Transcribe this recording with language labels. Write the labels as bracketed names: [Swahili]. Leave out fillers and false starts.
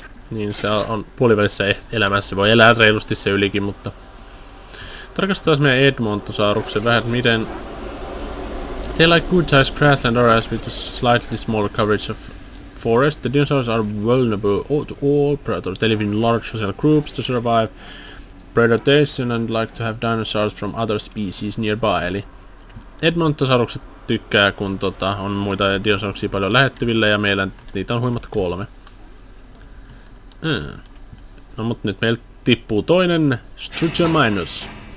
[Finnish] Niin se on puolivälissä elämässä. Voi elää reilusti se ylikin, mutta... Tarkastetaan meidän Edmontosauruksen vähän, miten... [English] They like good-sized grassland areas with a slightly smaller coverage of forest. The dinosaurs are vulnerable to all predators. They live in large social groups to survive predation and like to have dinosaurs from other species nearby. [Finnish] Eli Edmontosaurukset tykkää, kun on muita dinosauruksia paljon lähettyvillä ja meillä niitä on huimat 3. No mut nyt meiltä tippuu toinen Strutia Minus.